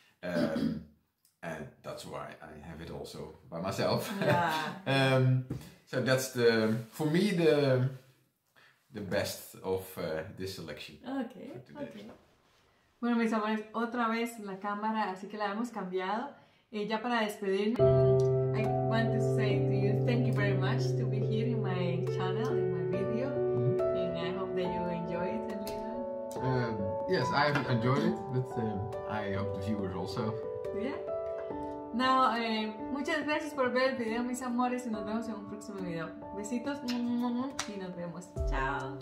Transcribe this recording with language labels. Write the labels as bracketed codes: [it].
[en] And that's why I have it also by myself. So that's for me, the best of this selection for today. Okay. [es] Bueno, mis amores, otra vez la cámara, así que la hemos cambiado. Ya para despedirme, [en] I want to say to you thank you very much to be here in my channel, in my video, and I hope that you enjoy it a little. Yes, I have enjoyed it, but I hope the viewers also. [es] Now, muchas gracias por ver el video, mis amores, y nos vemos en un próximo video. Besitos, y nos vemos. Chao.